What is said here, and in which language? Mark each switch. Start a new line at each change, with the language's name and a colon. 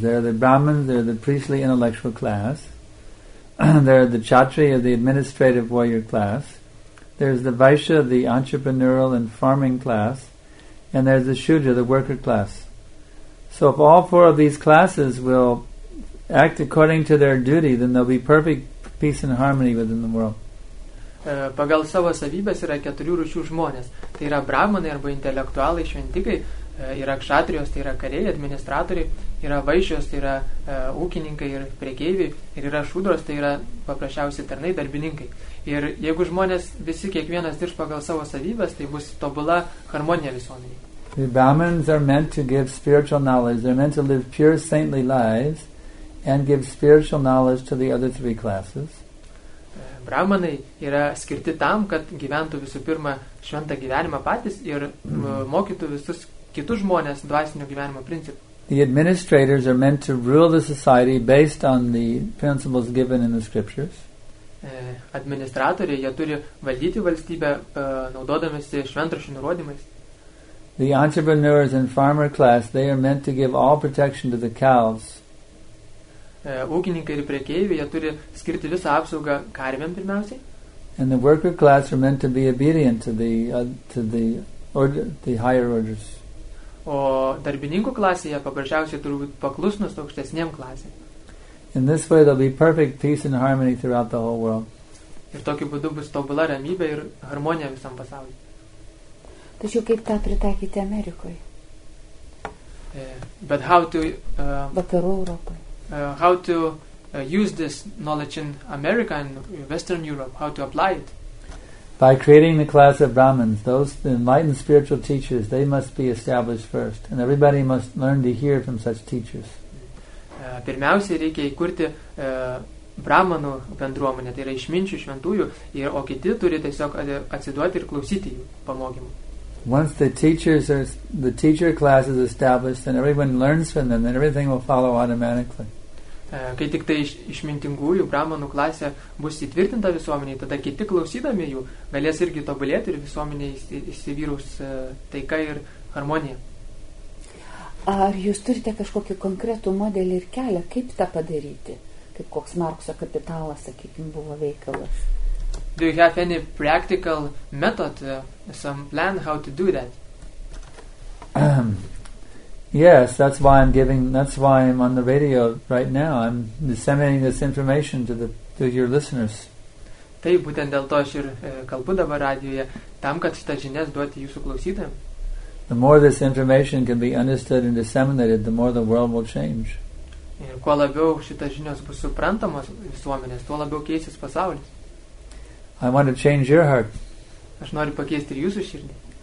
English: There are the Brahmins, there are the priestly intellectual class, there are the Kshatriya, the administrative warrior class, there is the Vaishya, the entrepreneurial and farming class, and there's the Shudra, the worker class. So if all four of these classes will act according to their duty, then there'll be perfect peace and harmony within the world.
Lithuanian: Pagal savo savybės yra keturių rūšių žmonės. Tai yra brahmanai arba intelektualai, šventikai, yra kšatrijos, tai yra kariai, administratoriai, yra vaišios, tai yra ūkininkai ir prekeiviai, ir yra šudros, tai yra paprasčiausiai tarnai, darbininkai. Ir jeigu žmonės visi kiekvienas dirbs pagal savo savybės, tai bus tobula harmonija visuomenėje.
English: The Brahmins are meant to give spiritual knowledge. They're meant to live pure saintly lives and give spiritual knowledge to the other three classes.
Lithuanian: Brahmanai yra skirti tam, kad gyventų visų pirma šventą gyvenimą patys ir mokytų visus kitus žmonės dvasinio gyvenimo principų.
English: The administrators are meant to rule the society based on the principles given in the scriptures.
Lithuanian: Administratoriai, jie turi valdyti valstybę naudodamasi šventraščių nurodymais.
English: The entrepreneurs and farmer class, they are meant to give all protection to the cows.
Lithuanian: Ūkininkai ir prekeiviai, jie turi skirti visą apsaugą karvėm pirmiausiai.
English: And the worker class are meant to be obedient to the higher orders.
Lithuanian: O darbininkų klasėje paprasčiausiai turi būti paklusnus aukštesniem klasėm.
English: In this way there'll be perfect peace and harmony throughout the whole world.
Lithuanian: Ir tokiu būdu bus tobula ramybė ir harmonija visam pasaulyje. Tačiau kaip tą pritaikyti Amerikoje?
English: But how to
Lithuanian: vakarų Europoje?
English: How to use this knowledge in America and Western Europe? How to apply it? By creating the class of Brahmins, those enlightened spiritual teachers, they must be established first, and everybody must learn to hear from such teachers.
Lithuanian: Pirmiausiai reikia įkurti brahmanų bendruomenę, tai yra išminčių, šventųjų, ir o kiti turi tiesiog atsiduoti ir klausyti jų pamokymų.
English: Once the teacher class is established, then everyone learns from them, then everything will follow automatically.
Lithuanian: Kai tik tai išmintingųjų brahmanų klasė bus įtvirtinta visuomenėje, tada kiti klausydami jų galės irgi tobulėti ir visuomenėje įsivyrus taika ir harmonija. Ar jūs turite kažkokį konkretų modelį ir kelią, kaip tą padaryti? Kaip koks Markso kapitalas, sakykim, buvo veikalas?
English: Do you have any practical method, some plan how to do that? Yes, that's why I'm on the radio right now. I'm disseminating this information to your listeners.
Lithuanian: Taip, būtent dėl to aš ir kalbu dabar radijoje, tam, kad šitą žinias duoti jūsų klausytojams.
English: The more this information can be understood and disseminated, the more the world will change.
Lithuanian: Ir kuo labiau šitas žinios bus suprantamos visuomenės, tuo labiau keisis pasaulis.
English: I want to change your heart.
Lithuanian: Aš noriu pakeisti ir jūsų širdį.